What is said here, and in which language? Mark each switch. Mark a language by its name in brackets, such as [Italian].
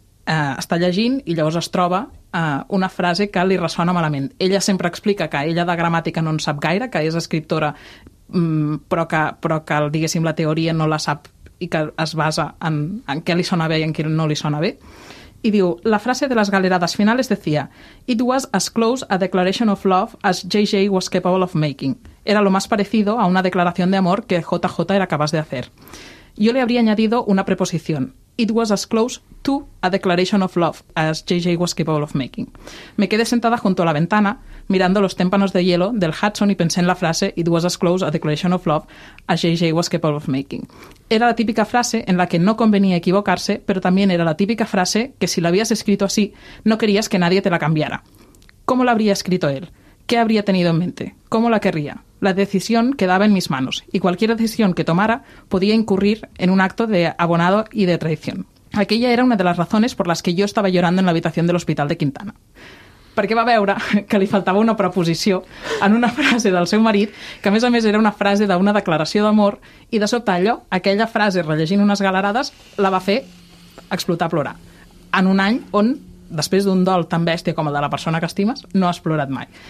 [Catalan] Està llegint i llavors es troba una frase que li ressona malament. Ella sempre explica que ella de gramàtica no en sap gaire, que és escriptora, però que diguéssim, la teoria no la sap i que es basa en què li sona bé i en què no li sona bé. i diu, la frase de les [Spanish] galeradas finales decía: [English] "It was as close a declaration of love as JJ was capable of making." [Spanish] Era lo más parecido a una declaración de amor que JJ era capaz de hacer. Yo le habría añadido una preposición: [English] "It was as close to a declaration of love as JJ was capable of making." [Spanish] Me quedé sentada junto a la ventana, mirando los témpanos de hielo del Hudson, y pensé en la frase [English] "It was as close a declaration of love as JJ was capable of making." [Spanish] Era la típica frase en la que no convenía equivocarse, pero también era la típica frase que, si la habías escrito así, no querías que nadie te la cambiara. ¿Cómo la habría escrito él? ¿Qué habría tenido en mente? ¿Cómo la querría? La decisión quedaba en mis manos, y cualquier decisión que tomara podía incurrir en un acto de abonado y de traición. Aquella era una de las razones por las que yo estaba llorando en la habitación de l'Hospital de Quintana. [Catalan] Perquè va veure que li faltava una preposició en una frase del seu marit, que a més era una frase d'una declaració d'amor, i de sobte allò, aquella frase rellegint unes galerades, la va fer explotar a plorar. En un any on, després d'un dol tan bèstia com el de la persona que estimes, no has plorat mai.